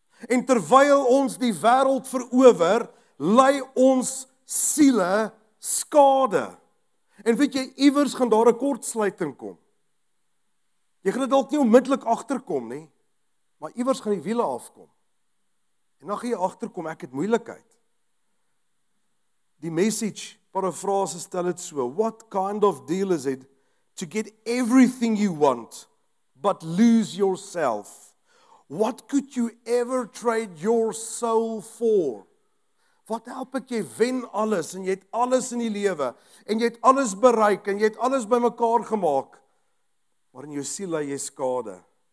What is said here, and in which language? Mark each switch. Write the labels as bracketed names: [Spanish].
[Afrikaans] En terwyl ons die wêreld verower, ly ons siele skade. En weet jy, iewers gaan daar 'n kortsluiting kom. Jy gaan dit dalk nie onmiddellik agterkom nie. Maar iewers gaan die wiele afkom. En dan gaan jy agterkom, ek het moeilikheid. Die message, parafrase stel dit so, [English] what kind of deal is it to get everything you want, but lose yourself? What could you ever trade your soul for? [Afrikaans] Wat help ek jy wen alles, en jy het alles in die lewe, en jy het alles bereik, en jy het alles bymekaar gemaak, maar in jou siel laat jy skade.